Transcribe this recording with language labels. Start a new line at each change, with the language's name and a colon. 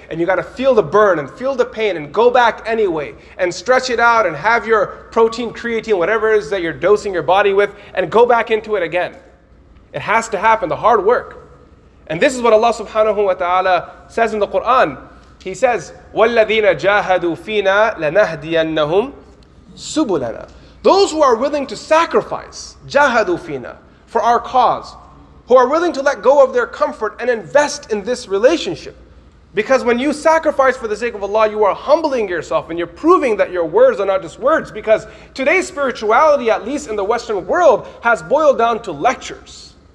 English: And you got to feel the burn and feel the pain and go back anyway. And stretch it out and have your protein, creatine, whatever it is that you're dosing your body with. And go back into it again. It has to happen. The hard work. And this is what Allah subhanahu wa ta'ala says in the Quran.
Arabic: He says, وَالَّذِينَ جَاهَدُوا فِينَا لَنَهْدِيَنَّهُمْ سُبُلَنَا.
English: Those who are willing to sacrifice,
Arabic: jahadu fina,
English: for our cause, who are willing to let go of their comfort and invest in this relationship. Because when you sacrifice for the sake of Allah, you are humbling yourself and you're proving that your words are not just words. Because today's spirituality, at least in the Western world, has boiled down to lectures.